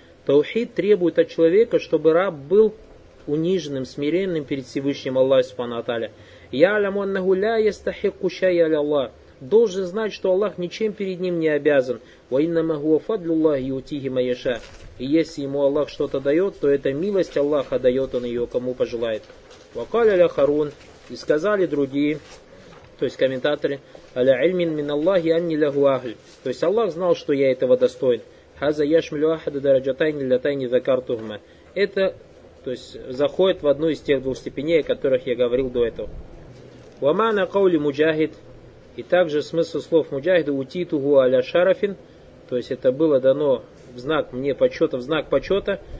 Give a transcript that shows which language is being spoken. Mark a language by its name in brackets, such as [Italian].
[Russian] Таухид требует от человека, чтобы раб был униженным, смиренным перед Всевышним Аллахом субхана ва тааля. [Arabic] «Я аляму аннаху ля ястахикку шайя аля Аллах». [Russian] должен знать, что Аллах ничем перед ним не обязан. [Arabic] وَإِنَّمَا هُوَ فَضْلُ اللَّهِ يُؤْتِيهِ مَن يَشَاءُ. [Russian] И если ему Аллах что-то дает, то это милость Аллаха, дает он ее кому пожелает. [Arabic] وَقَالَ الْآخَرُونَ. [Russian] И сказали другие, то есть комментаторы, [Arabic] عَلَى عِلْمٍ مِنَ اللَّهِ أَنِّي لَهُ أَهْلٌ. [Russian] То есть Аллах знал, что я этого достоин. [Arabic] هَذَا يَشْمِلُ أَحَدَ دَرَجَتَيْنِ اللَّتَيْنِ ذَكَرْتُهُمَا. [Russian] Это, то есть, заходит в одну из тех двух степеней, о которых я говорил до этого. [Arabic] وَمَعْنَى قَوْلِ مُجَاهِدٍ. [Russian] И также смысл слов муджахида [Arabic] «утитугу аля шарафин», [Russian] то есть это было дано в знак мне почета, в знак почета.